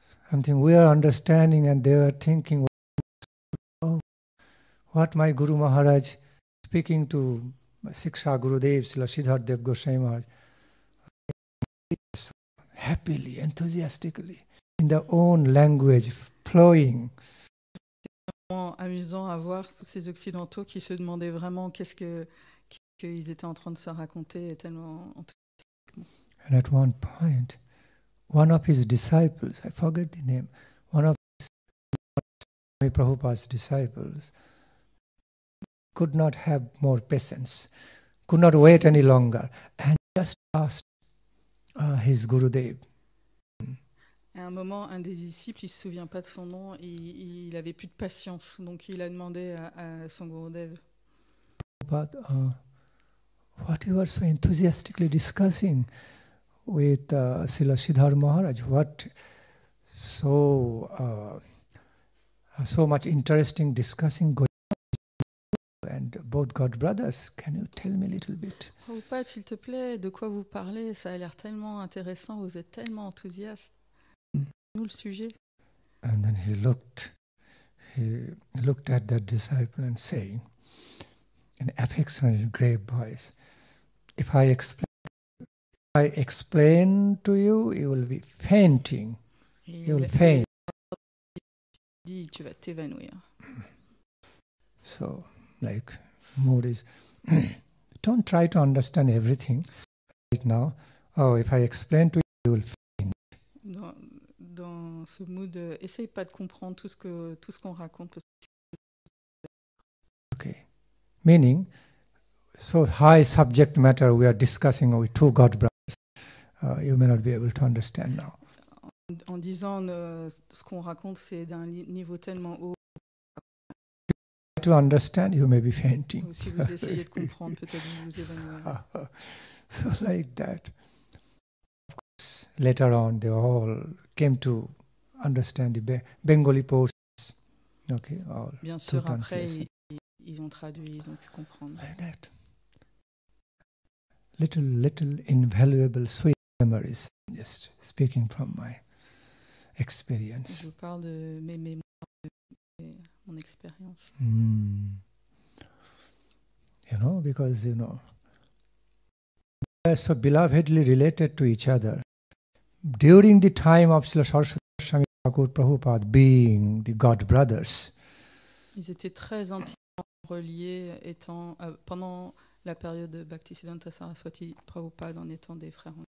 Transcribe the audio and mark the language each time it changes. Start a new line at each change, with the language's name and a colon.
English: Something we are understanding, and they are thinking, oh, what my Guru Maharaj speaking to Siksha Gurudev, Srila Siddhartha Dev Goswami Maharaj, so happily, enthusiastically, in their own language, flowing.
French: Amusant à voir tous ces occidentaux qui se demandaient vraiment qu'ils étaient en train de se raconter, et tellement enthousiastiques.
English: And at one point, one of his disciples, I forget the name, one of Prabhupada's disciples could not have more patience, could not wait any longer, and just asked his Gurudev.
French: À un moment, un des disciples, il ne se souvient pas de son nom, il n'avait plus de patience, donc il a demandé à son Gurudev.
English: But what you were so enthusiastically discussing with Srila Siddhar Maharaj, what so so much interesting discussing going on, and both God brothers, can you tell me a little bit?
French: Prabhupada, s'il te plaît, de quoi vous parlez? Ça a l'air tellement intéressant, vous êtes tellement enthousiaste. Le sujet.
English: And then he looked at that disciple and saying, in affectionate, grave voice, if I explain to you, you will be fainting. You will faint.
French: Dit, tu vas t'évanouir.
English: So, like, mood is, don't try to understand everything right now. Oh, if I explain to you, you will faint.
French: Non. Dans ce mood, essaye pas de comprendre tout ce qu'on raconte.
English: Okay, meaning, so high subject matter we are discussing with two God brothers, you may not be able to understand now.
French: En disant ce qu'on raconte, c'est d'un niveau tellement haut.
English: To understand, you may be fainting.
French: Si vous essayez de comprendre, peut-être vous évanouirez.
English: So like that. Later on, they all came to understand the Bengali poems. Okay, all.
French: Bien sûr, après, ils ont traduit, ils ont pu comprendre.
English: Like that. Little invaluable sweet memories, just speaking from my experience.
French: Je vous parle de mes mémoires, de mon expérience.
English: You know, because, you know, they are so belovedly related to each other. During the time of Srila Saraswati Swami Thakur Prabhupada being the God brothers,
French: ils étaient très intimement reliés étant pendant la période de Bhaktisiddhanta Saraswati Prabhupada en étant des frères.